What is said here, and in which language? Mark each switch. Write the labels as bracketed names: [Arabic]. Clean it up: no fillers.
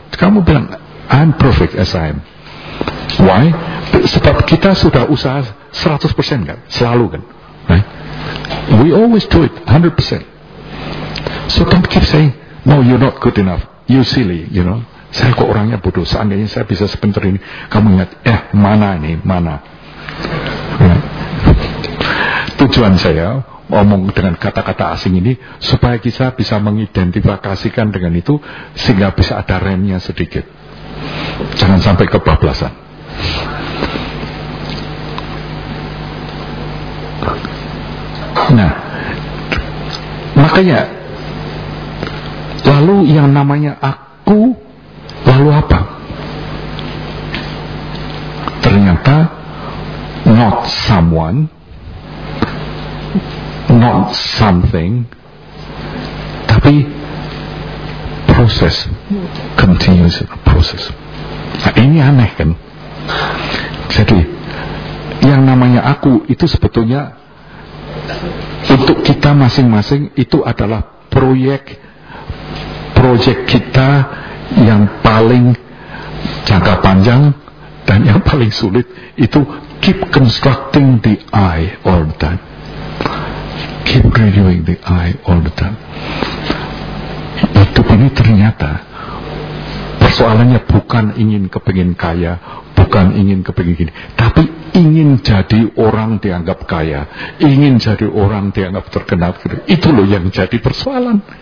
[Indonesian] Kamu bilang [English] I'm perfect as I am. Why? [Indonesian] Sebab kita sudah usaha 100% kan, selalu kan. [English] Right? We always do it 100%. So don't keep saying no, you're not good enough. You silly, you know. [Indonesian] Saya kok orangnya bodoh. Seandainya saya bisa sebentar ini, kamu ingat mana ini mana. Tujuan saya omong dengan kata-kata asing ini supaya kita bisa mengidentifikasikan dengan itu sehingga bisa ada remnya sedikit. Jangan sampai kebablasan. Nah, makanya lalu yang namanya aku lalu apa? Ternyata [English] not someone, not something, [Indonesian] tapi proses, [English] continuous process. [Indonesian] Nah, ini aneh kan? Jadi yang namanya aku itu sebetulnya untuk kita masing-masing itu adalah proyek kita yang paling jangka panjang dan yang paling sulit itu [English] keep constructing the I all the time. Keep renewing the I all the time. [Indonesian] Hidup ini ternyata persoalannya bukan ingin kepingin kaya, bukan ingin kepingin gini, tapi ingin jadi orang dianggap kaya, ingin jadi orang dianggap terkenal. Itu loh yang jadi persoalan.